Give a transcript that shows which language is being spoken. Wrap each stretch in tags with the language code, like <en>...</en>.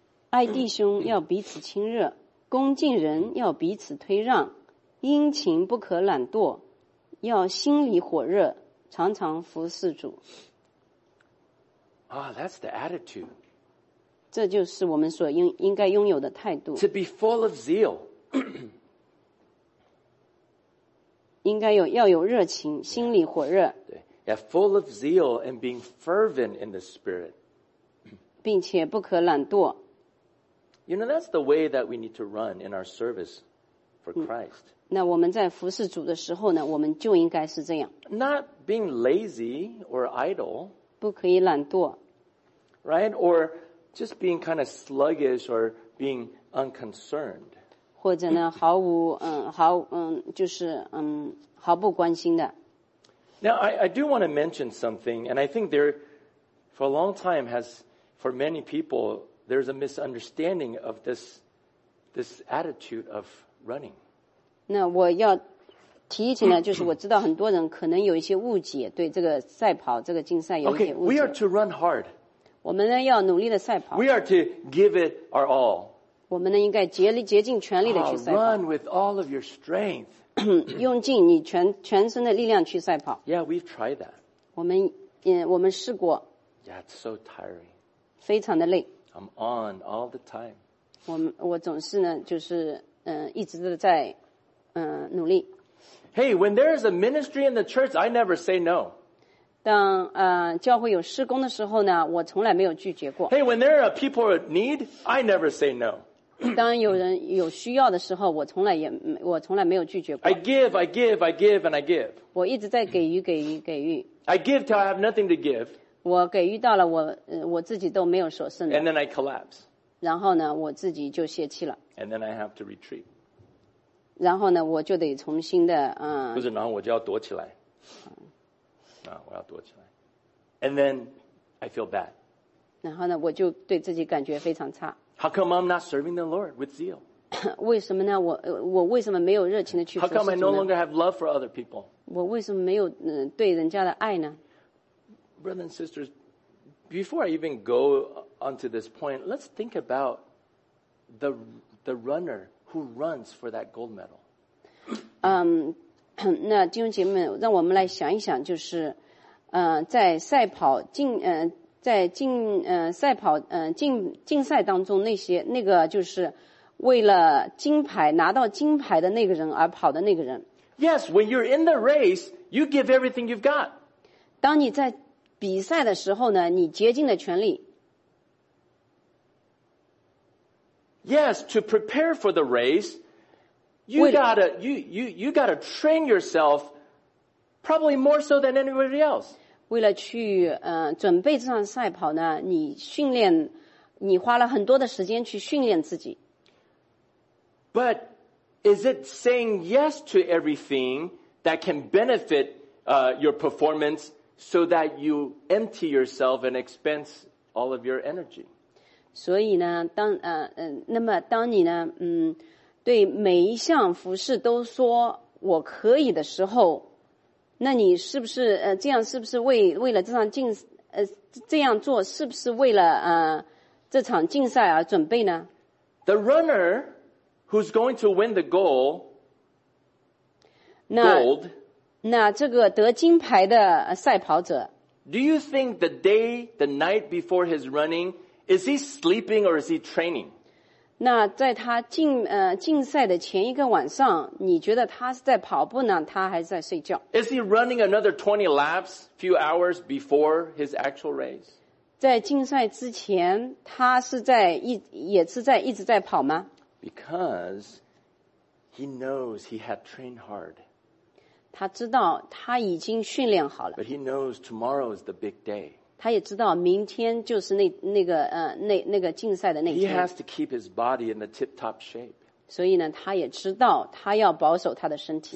<zh>爱弟兄要彼此亲热，恭敬人要彼此推让，殷勤不可懒惰，要心里火热，常常服侍主。</zh> <en>Ah, that's the attitude.</en> <zh>这就是我们所应该拥有的态度。</zh> <en>To be full of zeal.</en> <zh>应该要有热情，心里火热。</zh> <en>对 yeah, full of zeal and being fervent in the spirit.</en> <zh>并且不可懒惰。</zh> <en>You know, that's the way that we need to run in our service for Christ.</en> <zh>那我们在服侍主的时候呢，我们就应该是这样。</zh> <en>Not being lazy or idle.</en> <zh>不可以懒惰。</zh> <en>Right? Or... Just being kind of sluggish or being unconcerned.</en> <zh>或者呢毫无毫就是毫不关心的。</zh> <en>Now, I do want to mention something, and I think there, for a long time has, for many people, there's a misunderstanding of this attitude of running.</en> <zh>那我要提一提呢就是我知道很多人可能有一些误解对这个赛跑这个竞赛有一些误解。</zh> <en>Okay, we are to run hard.</en> <zh>我们呢要努力的赛跑。</zh> <en>We are to give it our all.</en> <zh>我们呢应该竭尽全力的去赛跑。</zh> <en>Run with all of your strength.</en> <zh>用尽你全身的力量去赛跑。</zh> <en>Yeah, we've tried that.</en> <zh>我们试过。</zh> <en>Yeah, it's so tiring.</en> <zh>非常的累。</zh> <en>I'm on all the time.</en> <zh>我总是呢就是一直都在努力。</zh> <en>Hey, when there is a ministry in the church, I never say no.</en> <zh>当教会有施工的时候呢，我从来没有拒绝过。</zh> <en>Hey, when there are people in need, I never say no.</en> <zh>当有人有需要的时候，我从来没有拒绝过。</zh> <en>I give, I give, I give, and I give.</en> <zh>我一直在给予，给予，给予。</zh> <en>I give till I have nothing to give.</en> <zh>我给予到了我自己都没有所剩的。</zh> <en>And then I collapse.</en> <zh>然后呢，我自己就泄气了。</zh> <en>And then I have to retreat.</en> <zh>然后呢，我就得重新的不是，然后我就要躲起来。我要躲起来。</zh> <en>And then I feel bad.</en> <zh>然后呢，我就对自己感觉非常差。</zh> <en>How come I'm not serving the Lord with zeal?</en> <zh>为什么呢？我为什么没有热情的去服侍主呢？</zh> <en>How come I no longer have love for other people?</en> <zh>我为什么没有对人家的爱呢？</zh> <en>Brothers and sisters, before I even go onto this point, let's think about the runner who runs for that gold medal.</en> <zh>那弟兄姐妹，让我们来想一想，就是在赛跑进在竞赛当中，那些那个就是为了金牌拿到金牌的那个人而跑的那个人。</zh> <en>Yes, when you're in the race, you give everything you've got.</en> <zh>当你在比赛的时候呢，你竭尽的全力。</zh> <en>Yes, to prepare for the race, you gotta train yourself probably more so than anybody else.</en> <zh>为了去准备这场赛跑呢，你训练，你花了很多的时间去训练自己。</zh> <en>But is it saying yes to everything that can benefit your performance so that you empty yourself and expend all of your energy?</en> <zh>所以呢，那么当你呢，对每一项服饰都说我可以的时候。那你是不是这样？是不是为了这场竞这样做？是不是为了这场竞赛而准备呢</zh> <en>？The runner who's going to win the gold,</en> <zh>那这个得金牌的赛跑者</zh> <en>，Do you think the day, the night before his running, is he sleeping or is he training？</en> <zh>那在他竞赛的前一个晚上，你觉得他是在跑步呢，他还是在睡觉</zh> <en>？Is he running another 20 laps few hours before his actual race？</en> <zh>在竞赛之前，他是在一直在跑吗</zh> <en>？Because he knows he had trained hard.</en> <zh>他知道他已经训练好了。</zh> <en>But he knows tomorrow is the big day.</en> <zh>他也知道明天就是那个竞赛的那天。</zh> <en>He has to keep his body in the tip-top shape.</en> <zh>所以呢，他也知道他要保守他的身体。</zh>